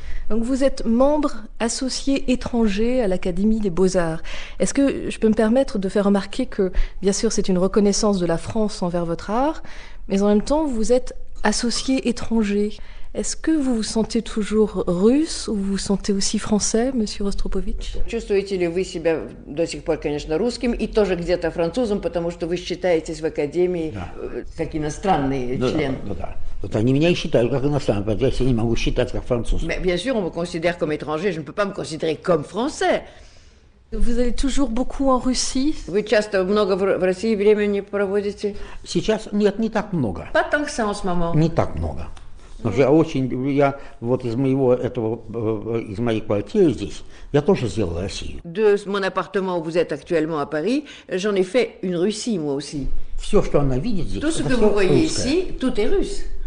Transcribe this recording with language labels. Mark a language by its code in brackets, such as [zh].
[fr] Donc vous êtes membre associé étranger à l'Académie des Beaux-Arts. Est-ce que je peux me permettre de faire remarquer que, bien sûr, c'est une reconnaissance de la France envers votre art, mais en même temps, vous êtes associé étranger. Est-ce que vous vous sentez toujours russe ou vous vous sentez aussi français, monsieur Rostropovitch? [ru] Чувствуете-ли вы себя до сих пор, конечно, русским и тоже где-то французом, потому что вы считаетесь в академии как иностранный член? Вот они меня и считают как иностранный, потому что я не могу считать как француз. [fr] Mais bien sûr, on me considère comme étranger, je ne peux pas me considérer comme français. Vous allez toujours beaucoup en Russie? [ru] Вы часто много в России времени проводите? Сейчас нет, не так много. [fr] Pas tant que ça en ce moment. [ru] Не так много. Я очень, я вот из моего этого, из моей квартиры здесь, я тоже сделал Россию. [fr] De mon appartement où vous êtes actuellement à Paris, j'en ai fait une Russie moi aussi. [ru] Все, что она видит здесь, [fr] tout ce que vous voyez ici, tout est russe.